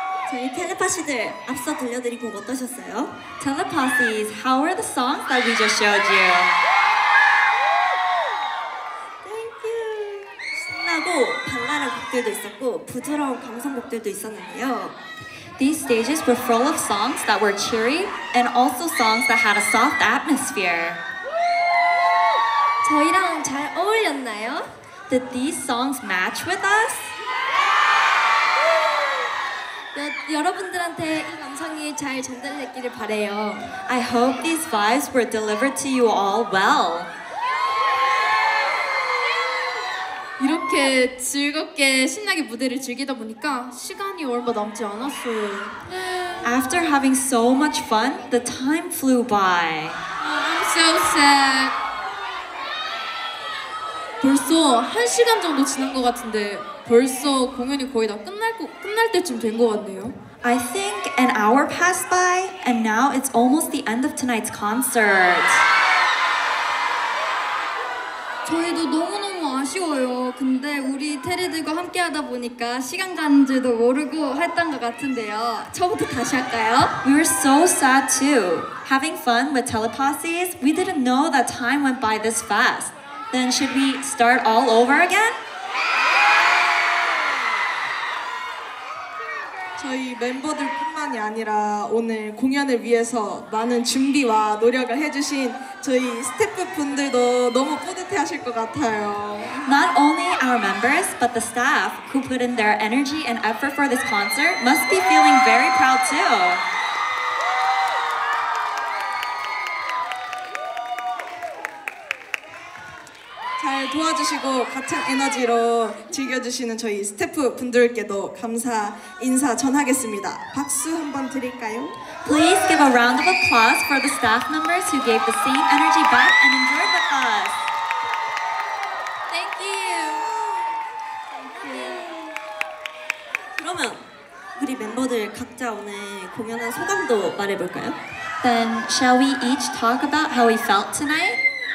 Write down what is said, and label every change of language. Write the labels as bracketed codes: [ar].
[ko] 저희 텔레파시들 앞서 들려드린 곡 어떠셨어요? [en] Telepathies, how are the songs that we just showed you? Thank you. [ko] 신나고 발랄한 곡들도 있었고 부드러운 감성 곡들도 있었는데요. [en] These stages were full of songs that were cheery and also songs that had a soft atmosphere. [ko] 저희랑 잘 어울렸나요? [en] Did these songs match with us? Yeah! I hope these vibes were delivered to you all well. [ko] 이렇게 즐겁게 신나게 무대를 즐기다 보니까 시간이 얼마 남지 않았어요. [en] After having so much fun, the time flew by. I'm so sad. [ko] 벌써 한 시간 정도 지난 것 같은데 벌써 공연이 거의 다 끝날 때쯤 된 것 같네요. [en] I think an hour passed by and now it's almost the end of tonight's concert. [ko] 저희도 너무너무 아쉬워요. 근데 우리 테레들과 함께 하다 보니까 시간 가는 줄도 모르고 했던 것 같은데요. 처음부터 다시 할까요? [en] We were so sad too. Having fun with teleposses, we didn't know that time went by this fast. Then should we start all over again? [ko] 저희 멤버들뿐만이 아니라 오늘 공연을 위해서 많은 준비와 노력을 해주신 저희 스태프분들도 너무 뿌듯해하실 것 같아요. [en] Not only our members, but the staff who put in their energy and effort for this concert must be feeling very proud too. [ko] 도와주시고 같은 에너지로 즐겨주시는 저희 스태프분들께도 감사 인사 전하겠습니다. 박수 한번 드릴까요? [en] Please give a round of applause for the staff members who gave the same energy back and enjoyed with us. Thank you. Thank you. [ko] 그러면 우리 멤버들 각자 오늘 공연한 소감도 말해볼까요? [en] Then shall we each talk about how we felt tonight?